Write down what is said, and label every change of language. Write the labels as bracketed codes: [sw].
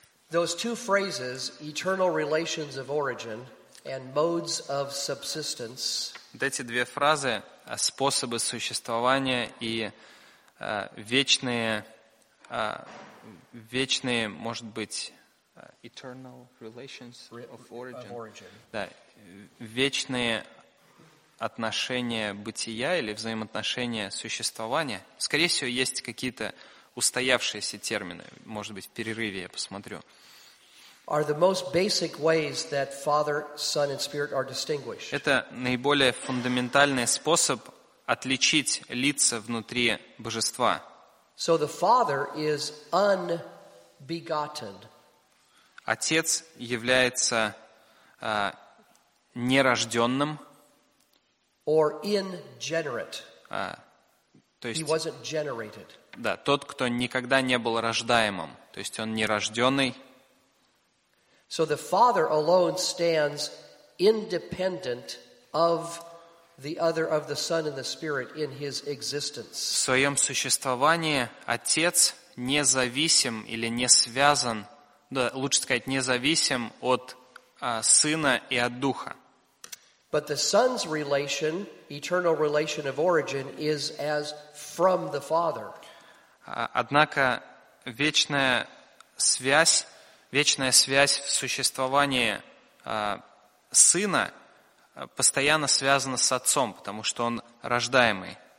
[en] Those two phrases, eternal relations of origin and modes of subsistence. [ru] Эти две фразы, способы существования и вечные, может быть, [en] eternal relations of origin. [ru] Да, вечные отношения бытия или взаимоотношения существования. Скорее всего, есть какие-то устоявшиеся термины. Может быть, в перерыве я посмотрю. [en] Are the most basic ways that Father, Son, and Spirit are distinguished. [ru] Это наиболее фундаментальный способ отличить лица внутри Божества. [en] So the Father is unbegotten. [ru] Отец является нерожденным. [en] Or ingenerate. [ru] То есть, [en] he wasn't generated. [ru] Да, тот, кто никогда не был рождаемым. То есть он нерожденный. [en] So the Father alone stands independent of the other of the Son and the Spirit in His existence. [ru] В своем существовании Отец независим или не связан, да, лучше сказать, независим от Сына и от Духа. [en] But the Son's relation, eternal relation of origin, is as from the Father. [ru] Однако вечная связь в существовании Сына постоянно связана с Отцом, потому что Он рождаемый.